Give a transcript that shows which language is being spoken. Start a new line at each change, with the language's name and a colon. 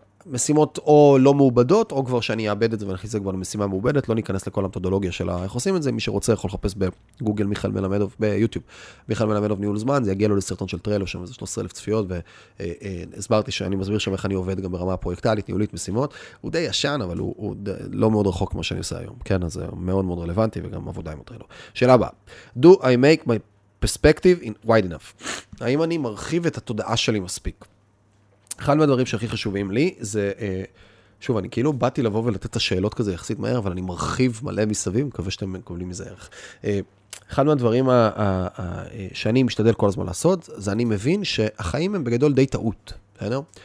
Hebrew: משימות או לא מעובדות, או כבר שאני אעבד את זה ואני אכניס את זה כבר למשימה מעובדת, לא ניכנס לכל המתודולוגיה של איך עושים את זה, מי שרוצה יכול לחפש בגוגל מיכל מלמדוב, ביוטיוב, מיכל מלמדוב ניהול זמן, זה יגיע לו לסרטון של טרלו, שם איזה 13,000 צפיות, והסברתי שאני מסביר שם איך אני עובד גם ברמה הפרויקטלית, ניהולית, משימות, הוא די ישן, אבל הוא לא מאוד רחוק כמו שאני עושה היום, כן, אז זה מאוד מאוד רלוונטי וגם עבודה עם הטרלו. שאלה הבאה,
English: Do I make my perspective wide enough?
Hebrew: האם אני מרחיב את התודעה שלי מספיק? אחד מהדברים שהכי חשובים לי זה, שוב, אני כאילו באתי לבוא ולתת את השאלות כזה יחסית מהר, אבל אני מרחיב מלא מסביב, מקווה שאתם מקבלים מזה ערך. אחד מהדברים שאני משתדל כל הזמן לעשות, זה אני מבין שהחיים הם בגדול די טעות. בסדר?